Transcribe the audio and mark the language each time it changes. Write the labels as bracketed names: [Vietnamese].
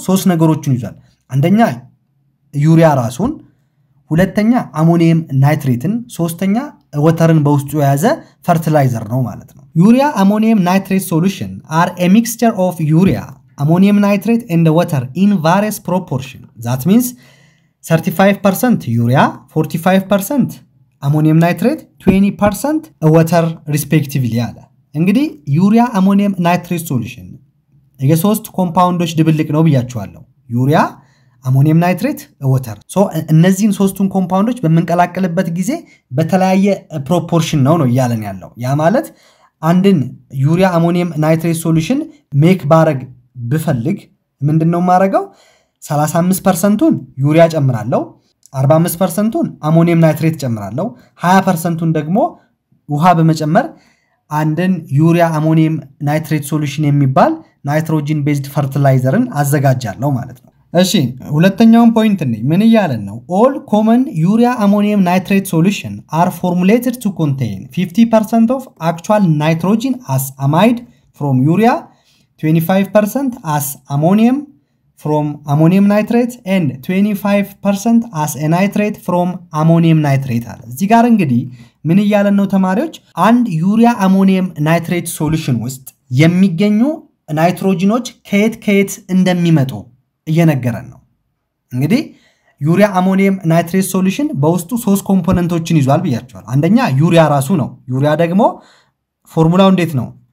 [Amharic] 3 ነገሮችን ይዟል። አንደኛ ዩሪያ ራሱን፣ ሁለተኛ አሞኒየም ናይትሬትን፣ ሶስተኛ ወተርን በውስጡ የያዘ ፈርቲላይዘር ነው ማለት ነው። [English] ዩሪያ አሞኒየም ናይትሬት ሶሉሽን አር ኤ ሚክስቸር ኦፍ ዩሪያ አሞኒየም ናይትሬት ኤንድ ወተር ኢን ቫሪየስ ፕሮፖርሽን ዛት ሚንስ 35% urea, 45% ammonium nitrate, 20% water respectively. [Amharic] እንግዲ urea ammonium nitrate solution የሶስት ኮምፓውንዶች ድብልቅ ነው ብያችኋለሁ። urea ammonium nitrate water. So እነዚህን ሶስቱን ኮምፓውንዶች በመንቀላቀልበት ጊዜ በተለያየ ፕሮፖርሽን ነው ይያለን ያለው። ያ ማለት አንድን urea ammonium nitrate solution make ባረግ ብፈልግ ምንድነው ማረገው? 35% ዩሪያ ጨምራለሁ፣ 45% አሞኒየም ናይትሬት ጨምራለሁ፣ 20% ደግሞ ውሃ በመጨመር አንድን ዩሪያ አሞኒየም ናይትሬት ሶሉሽን የሚባል ናይትሮጂን ቤዝድ ፈርቲላይዘርን አዘጋጃለሁ ማለት ነው። እሺ ሁለተኛው ፖይንት እንዴ ምን ይያለን ነው? [English] All common urea ammonium nitrate solution are formulated to contain 50% of actual nitrogen as amide from urea, 25% as ammonium from ammonium nitrate and 25% as a nitrate from ammonium nitrate [Amharic] አለ። እዚህ ጋር እንግዲህ ምን ይያለን ነው ተማሪዎች? አንድ ዩሪያ አሞኒየም ናይትሬት ሶሉሽን ውስጥ የሚገኙ ናይትሮጂኖች ከየት ከየት እንደሚመጡ እየነገረን ነው። እንግዲህ ዩሪያ አሞኒየም ናይትሬት ሶሉሽን በውስጡ 3 ኮምፖነንቶችን ይዟል ብያችኋል። አንደኛ ዩሪያ ራሱ ነው። ዩሪያ ደግሞ ፎርሙላው እንዴት ነው?